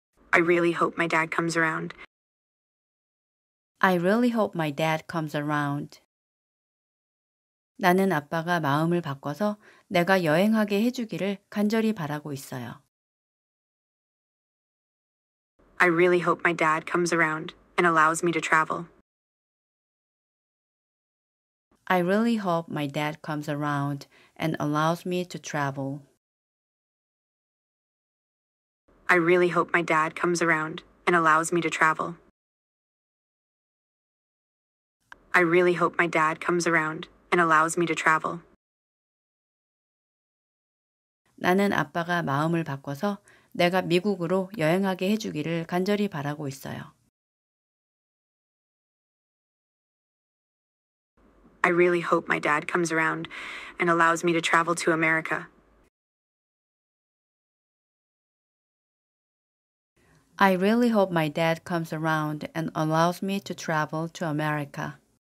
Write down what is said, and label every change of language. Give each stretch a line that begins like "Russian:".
English: I really hope my dad comes around. I really hope my dad comes around.
Korean: 나는 아빠가 마음을 바꿔서 내가 여행하게 해주기를 간절히 바라고 있어요.
English: I really hope my dad comes around and allows me to travel. I really hope my dad comes around and allows me to travel. I really hope my dad comes around and allows me to travel. I really hope my dad comes around and allows me to travel.
Korean: 나는 아빠가 마음을 바꿔서 내가 미국으로 여행하게 해주기를 간절히 바라고 있어요.
English: I really hope my dad comes around and allows me to travel to America. I really hope my dad comes around and allows me to travel to America.